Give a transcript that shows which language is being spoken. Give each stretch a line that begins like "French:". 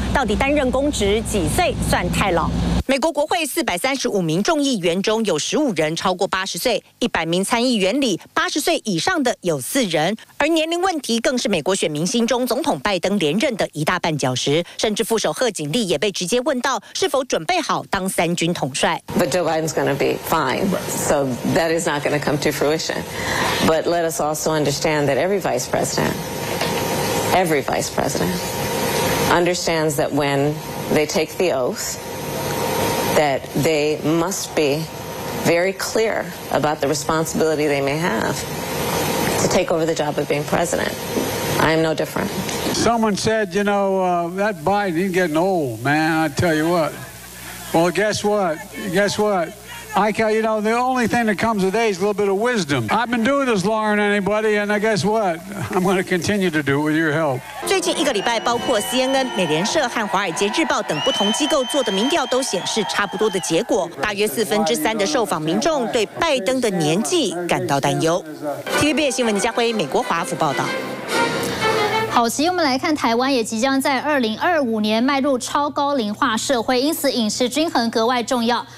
Chinese: 到底担任公职几岁算太老？美国国会435名众议员中有15人超过80岁，100名参议员里80岁以上的有4人，而年龄问题更是美国选民心中总统拜登连任的一大绊脚石。甚至副手贺锦丽也被直接问到是否准备好当三军统帅。
English: But Joe Biden's going to be fine, so that is not going to come to fruition. But let us also understand that every vice president, understands that when they take the oath. That they must be very clear about the responsibility they may have to take over the job of being president. I am no different. Someone said, you know, that Biden, he's getting old, man, I tell you what. Well, guess what? You know, the only thing that comes with age is a little bit of wisdom. I've been doing this longer than anybody, and I guess what? I'm going to continue to do it with your help.
Chinese: 最近一个礼拜，包括 CNN、美联社和《华尔街日报》等不同机构做的民调都显示差不多的结果。大约3/4的受访民众对拜登的年纪感到担忧。 TVBS 新闻李佳辉，美国华府报道。好，其实我们来看台湾也即将在2025年迈入超高龄化社会，因此饮食均衡格外重要。